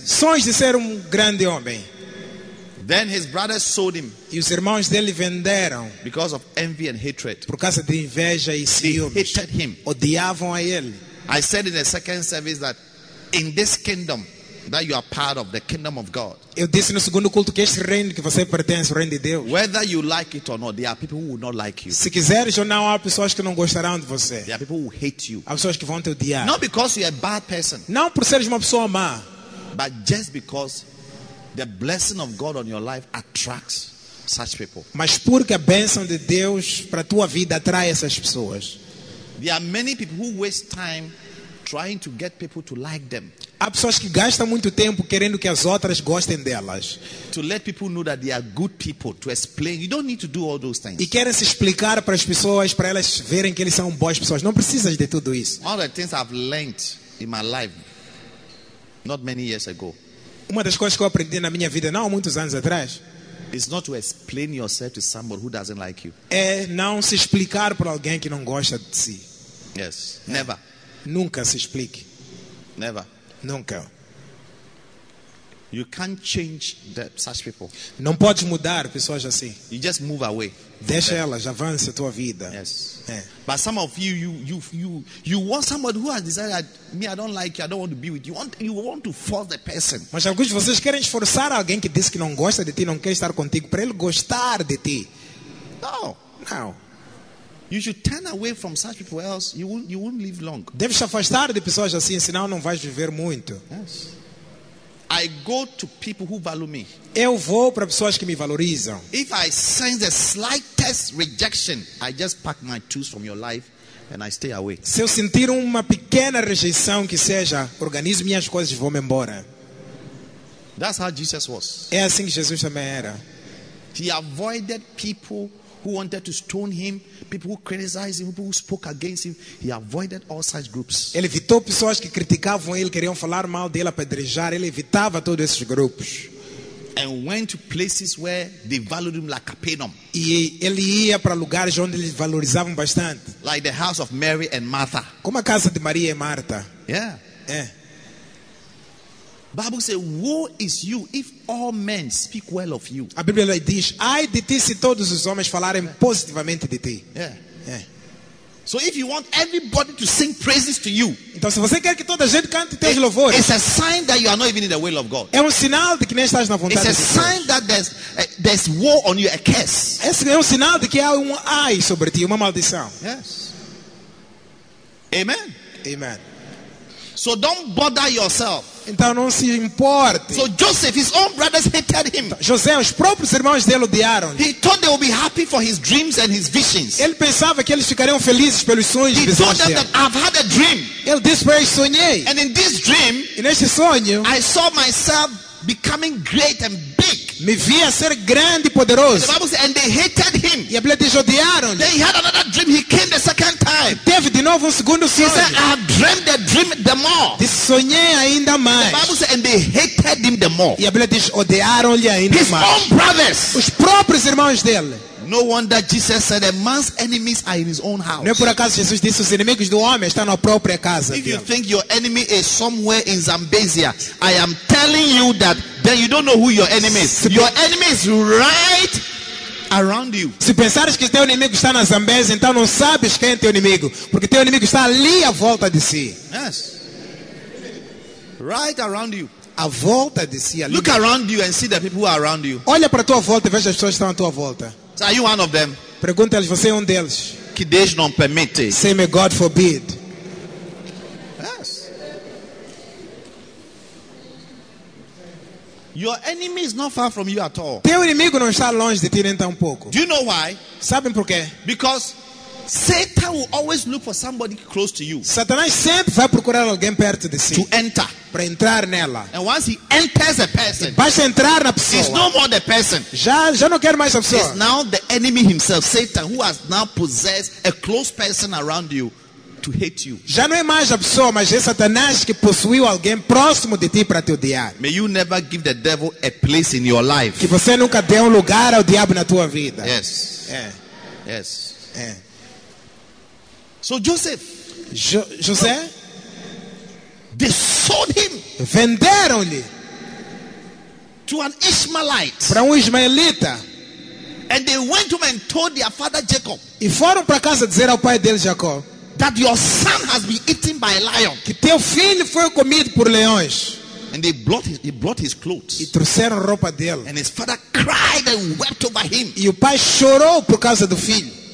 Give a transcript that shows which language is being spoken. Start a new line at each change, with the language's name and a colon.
Portuguese: Sonhos de ser grande homem.
English: Then his brothers sold him.
Portuguese: E os irmãos dele venderam.
English: Because of envy and hatred.
Portuguese: Por causa de inveja e ciúmes.
English: They hated him.
Portuguese: Odiavam a ele.
English: I said in the second service that in this kingdom that you are part of, the kingdom of God.
Portuguese: Eu disse no segundo culto que este reino que você pertence, o reino de Deus.
English: Whether you like it or not, there are people who will not like you.
Portuguese: Se quiseres ou não, há pessoas que não gostarão de você.
English: There are people who hate you.
Portuguese: Há pessoas que vão te odiar.
English: Not because you are a bad person.
Portuguese: Não por seres uma pessoa má.
English: But just because the blessing of God on your life attracts such people.
Portuguese: Mas porque a bênção de Deus para tua vida atrai essas pessoas.
English: There are many people who waste time trying to get people to like them.
Portuguese: Há pessoas que gastam muito tempo querendo que as outras gostem delas.
English: To let people know that they are good people, to explain. You don't need to do all those things.
Portuguese: E querem se explicar para as pessoas, para elas verem que eles são boas pessoas. Não precisas de tudo isso.
English: All the things I've learned in my life, not many years ago.
Portuguese: Uma das coisas que eu aprendi na minha vida, não há muitos anos atrás,
English: is not to explain yourself to somebody who doesn't like you.
Portuguese: É não se explicar para alguém que não gosta de si.
English: Yes, never.
Portuguese: Nunca se explique.
English: Never.
Portuguese: Nunca.
English: You can't change such people.
Portuguese: Não podes mudar pessoas assim.
English: You just move away.
Portuguese: Deixa elas, avance a tua vida.
English: Yes.
Portuguese: É.
English: But some of you want somebody who has decided, me, I don't like you, I don't want to be with you. You want to force the person.
Portuguese: Mas alguns de vocês querem esforçar alguém que diz que não gosta de ti, não quer estar contigo, para ele gostar de ti.
English: No. No. You should turn away from such people, else you won't live long.
Portuguese: Deves afastar de pessoas assim, senão não vais viver muito.
English: Yes. I go to people who value me.
Portuguese: Eu vou para pessoas que me valorizam.
English: If I sense the slightest rejection, I just pack my tools from your life and I stay away.
Portuguese: Se eu sentir uma pequena rejeição, que seja, organizo minhas coisas e vou-me embora.
English: That's how Jesus was.
Portuguese: É assim que Jesus também era.
English: He avoided people who wanted to stone him, people who criticized him, people who spoke against him. He avoided all such groups.
Portuguese: Ele evitou pessoas que criticavam ele, queriam falar mal dele, apedrejar. Ele evitava todos esses grupos.
English: And went to places where they valued him like Capernaum.
Portuguese: E ele ia para lugares onde eles valorizavam bastante.
English: Like the house of Mary and Martha.
Portuguese: Como a casa de Maria e Marta.
English: Yeah.
Portuguese: É.
English: Bible says, "Woe is you if all men speak well of you."
Portuguese: A Bíblia diz, ai de ti se todos os homens falarem positivamente de ti.
English: Yeah. Yeah. So if you want everybody to sing praises to you,
Portuguese: então se você quer que toda a gente cante teus louvores,
English: it's a sign that you are not even in the will of God.
Portuguese: É sinal de que nem estás na vontade de Deus.
English: It's a sign that there's woe on you, a curse.
Portuguese: É sinal de que há ai sobre ti, uma maldição.
English: Yes. Amen. Amen. So don't bother yourself.
Portuguese: Então não se importe.
English: So Joseph, his own brothers hated him.
Portuguese: José, os próprios irmãos dele odiaram.
English: He thought they would be happy for his dreams and his visions.
Portuguese: Ele pensava que eles ficariam felizes pelos sonhos.
English: He told them that I've had a dream.
Portuguese: Ele disse, eu sonhei.
English: And in this dream,
Portuguese: neste sonho,
English: I saw myself becoming great and big.
Portuguese: Me via ser grande e poderoso.
English: And the Bible says, and they hated him.
Portuguese: E a Bíblia diz, odiaram-lhe.
English: Then he had another dream. He came the second time.
Portuguese: Teve de novo segundo sonho.
English: He said, I have dreamt the dream the more.
Portuguese: De sonhei ainda mais.
English: The Bible says, and they hated him the more.
Portuguese: E a Bíblia diz, odiaram-lhe ainda
English: his
Portuguese: mais.
English: His own brothers.
Portuguese: Os próprios irmãos dele.
English: No wonder Jesus said, a man's enemies are in his own house.
Portuguese: Não é por acaso Jesus disse, os inimigos do homem estão na própria casa.
English: If you think your enemy is somewhere in Zambezia, I am telling you that then you don't know who your enemy is. Your enemy is right around you.
Portuguese: Se pensares que teu inimigo está na Zambezia, então não sabes quem é teu inimigo, porque teu inimigo está ali à volta de si.
English: Yes. Right around you.
Portuguese: À volta de si. Ali.
English: Look around you and see the people who are around you.
Portuguese: Olha para tua volta e veja as pessoas que estão à tua volta.
English: So are you one of them?
Portuguese: Pergunta-lhes, você é deles? Que Deus não permite.
English: Say, may God forbid. Yes. Your enemy is not far from you at all.
Portuguese: Teu inimigo não está longe de ti nem tão pouco.
English: Do you know why?
Portuguese: Sabem por quê?
English: Because Satan will always look for somebody close to you.
Portuguese: Satanás sempre vai procurar alguém perto de si.
English: To enter.
Portuguese: Para entrar nela.
English: And once he enters a person,
Portuguese: basta entrar na pessoa.
English: He's no more the person.
Portuguese: Já não quero mais a pessoa.
English: It's now the enemy himself, Satan, who has now possessed a close person around you to hate you.
Portuguese: Já não é mais a pessoa, mas é Satanás que possuiu alguém próximo de ti para te odiar.
English: May you never give the devil a place in your life.
Portuguese: Que você nunca dê lugar ao diabo na tua vida.
English: Yes.
Portuguese: É.
English: Yes.
Portuguese: É.
English: So Joseph.
Portuguese: José.
English: They sold him.
Portuguese: Venderam-lhe.
English: To an Ishmaelite.
Portuguese: Para Ishmaelita.
English: And they went to him and told their father Jacob.
Portuguese: E foram para casa dizer ao pai dele Jacob.
English: That your son has been eaten by a lion.
Portuguese: Que teu filho foi comido por leões.
English: And he brought his clothes.
Portuguese: E trouxeram roupa dele.
English: And his father cried and wept over him.
Portuguese: E o pai chorou por causa do filho.